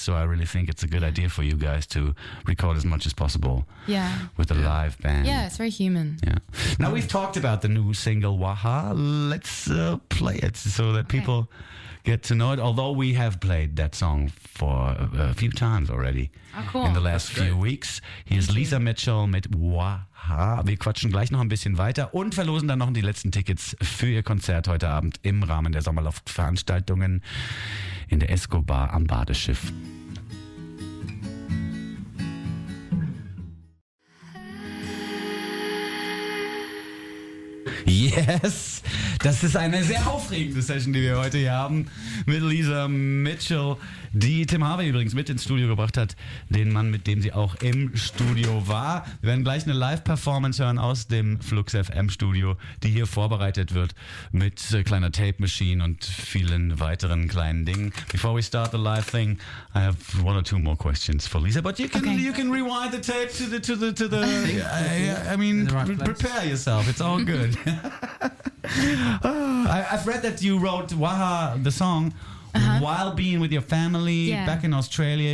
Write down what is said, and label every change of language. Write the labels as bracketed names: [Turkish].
[English] So I really think it's a good idea for you guys to record as much as possible with a live band. Yeah, it's very human. Yeah. Now we've talked about the new single, Waha. Let's play it so that people get to know it. Although we have played that song for a few times already in the last few weeks. Here's Lisa Mitchell mit Waha. [German] Wir quatschen gleich noch ein bisschen weiter und verlosen dann noch die letzten Tickets für ihr Konzert heute Abend im Rahmen der Sommerloft-Veranstaltungen in der Escobar am Badeschiff. Yes, das ist eine sehr aufregende Session, die wir heute hier haben mit Lisa Mitchell, die Tim Harvey übrigens mit ins Studio gebracht hat, den Mann, mit dem sie auch im Studio war. Wir werden gleich eine Live-Performance hören aus dem Flux FM Studio, die hier vorbereitet wird mit kleiner Tape-Machine und vielen weiteren kleinen Dingen. [English] Before we start the live thing, I have one or two more questions for Lisa, but you can rewind the tape to the I mean, prepare yourself, it's all good. I've read that you wrote Waha, the song, while being with your family back in Australia.